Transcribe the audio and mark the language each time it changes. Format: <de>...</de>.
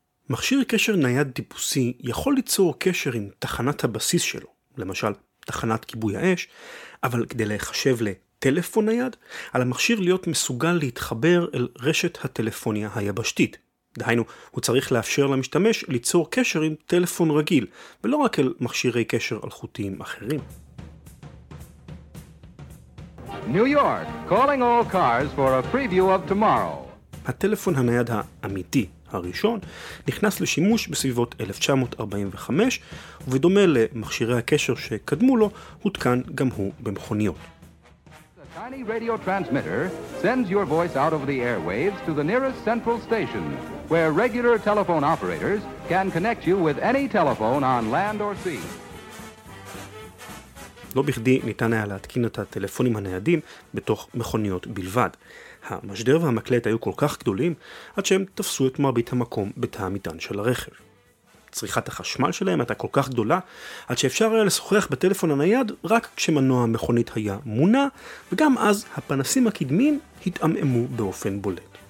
<he>מכשיר קשר נייד טיפוסי יכול ליצור קשר עם תחנת הבסיס שלו, למשל תחנת כיבוי האש, אבל כדי להיחשב לטלפון נייד, על המכשיר להיות מסוגל להתחבר אל רשת הטלפוניה היבשתית. דהיינו, הוא צריך לאפשר למשתמש ליצור קשר עם טלפון רגיל, ולא רק אל מכשירי קשר אלחוטיים אחרים.</he> <en>New York, calling all cars for a preview of tomorrow.</en> <he>הטלפון הנייד האמיתי הראשון נכנס לשימוש בסביבות 1945, ובדומה למכשירי הקשר שקדמו לו, הותקן גם הוא במכוניות.</he> <en>A tiny radio transmitter sends your voice out over the airwaves to the nearest central station, where regular telephone operators can connect you with any telephone on land or sea.</en> <he>לא בכדי ניתן היה להתקין את הטלפונים הניידים בתוך מכוניות בלבד. המשדר והמקלט היו כל כך גדולים, עד שהם תפסו את מרבית המקום בתא המטען של הרכב. צריכת החשמל שלהם הייתה כל כך גדולה, עד שאפשר היה לשוחח בטלפון הנייד רק כשמנוע המכונית היה מונע, וגם אז הפנסים הקדמיים התעמעמו באופן בולט.</he>